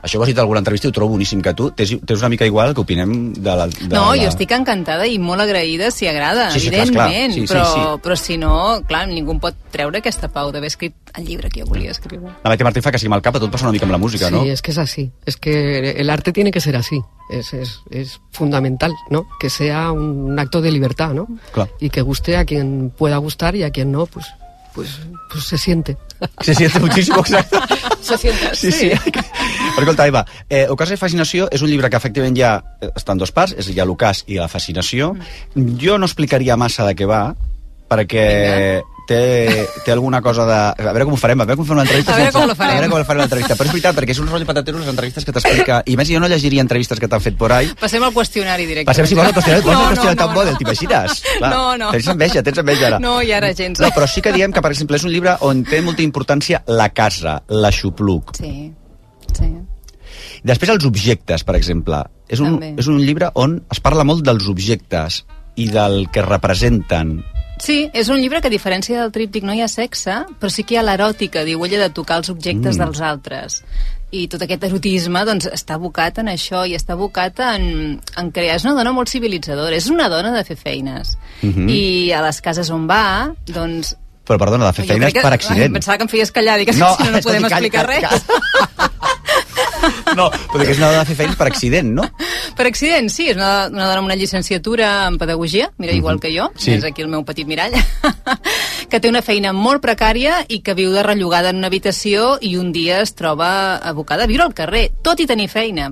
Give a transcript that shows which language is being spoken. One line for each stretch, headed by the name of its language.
Catalan: Això ho has dit alguna entrevista i ho trobo boníssim, que tu tens una mica igual que opinem de la... Jo estic encantada i molt agraïda si agrada, sí, sí, evidentment. Clar, clar. Sí, però, sí, sí. Però si no, clar, ningú pot treure aquesta pau d'haver escrit el llibre que jo volia escriure. La Maite Martín fa que sigui mal cap, a tot passa una mica amb la música, sí, no? Sí, és que és així. És que
Spanish: l'arte tiene que ser así. Es fundamental, ¿no? Que sea un acto de libertad, ¿no? Claro. Y que guste a quien pueda gustar y a quien no, pues se siente. Se siente muchísimo, exacto. Se siente, sí. Sí, sí.
Catalan: Escolta, Eva, Ocàs i Fascinació és un llibre que efectivament ja està en dos parts, és ja l'Ocàs i la Fascinació. Jo no explicaria massa de què va, perquè... Vinga. Té alguna cosa de... A veure com ho farem, a veure com fer una entrevista. A veure com ho farem l'entrevista. Però és veritat, perquè és un rotllo patatero les entrevistes que t'explica. I més, jo no llegiria entrevistes que t'han fet
Spanish: por ahí.
Catalan: Passem al qüestionari directe. Passem, si vols, al qüestionari. Vols al qüestionari tan bo, t'imagines? No. Tens enveja ara. No, i ara gens. No, però sí que diem que, per exemple, és un llibre on té molta importància la casa, la xupluc. Sí. Després, els objectes, per exemple. És un llibre on es parla molt dels objectes i del que representen. Sí, és un llibre que, a diferència del tríptic, no hi ha sexe, però sí que hi ha l'eròtica, diu ella, de tocar els objectes dels altres. I tot aquest erotisme, doncs, està abocat en això, i està abocat en crear... És una dona molt civilitzadora, és una dona de fer feines. Mm-hmm. I a les cases on va, doncs... Però, perdona, de fer feines per accident. Pensava que em feies callar, digues, no, si no podem explicar res. No, però és una dona de fer feines per accident, no? Per accident, sí. És una dona amb una llicenciatura en pedagogia, mira, igual que jo, sí. És aquí el meu petit mirall, que té una feina molt precària i que viu de rellogada en una habitació i un dia es troba abocada a viure al carrer, tot i tenir feina.